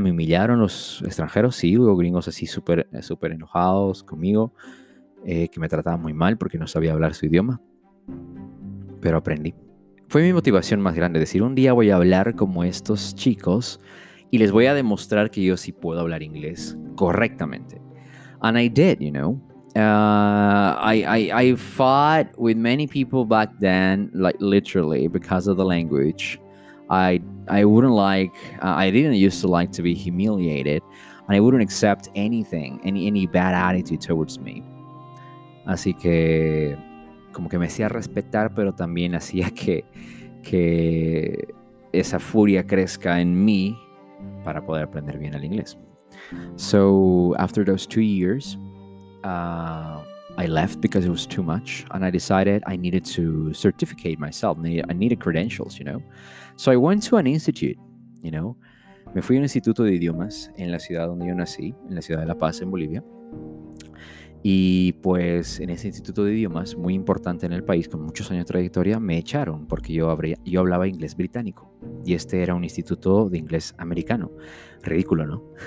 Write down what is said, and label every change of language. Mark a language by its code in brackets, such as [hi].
[es] Me humillaron los extranjeros, sí, hubo gringos así súper súper enojados conmigo, que me trataban muy mal porque no sabía hablar su idioma, pero aprendí. Fue mi motivación más grande, decir, un día voy a hablar como estos chicos y les voy a demostrar que yo sí puedo hablar inglés correctamente. [en] And I did, you know. I fought with many people back then, like literally, because of the language. I didn't used to like to be humiliated, and I wouldn't accept anything, any bad attitude towards me. [es] Así que, como que me hacía respetar, pero también hacía que esa furia crezca en mí para poder aprender bien el inglés. [en] So after those 2 years, I left because it was too much, and I decided I needed to certificate myself. I needed credentials, you know. So I went to an institute, you know. [es] Me fui a un instituto de idiomas en la ciudad donde yo nací, en la ciudad de La Paz, en Bolivia. Y pues en ese instituto de idiomas, muy importante en el país, con muchos años de trayectoria, me echaron porque yo hablaba inglés británico. Y este era un instituto de inglés americano. Ridículo, ¿no?